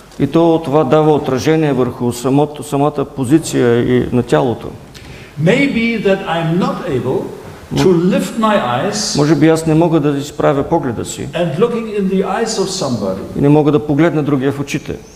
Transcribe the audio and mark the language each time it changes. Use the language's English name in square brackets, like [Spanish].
[Bulgarian] И то това дава отражение върху самата позиция и на тялото. [English] Maybe that I'm not able to lift my eyes. [Bulgarian] Може би аз не мога да изправя погледа си. [English] And looking in the eyes of somebody. [Bulgarian] И не мога да погледна другия в очите.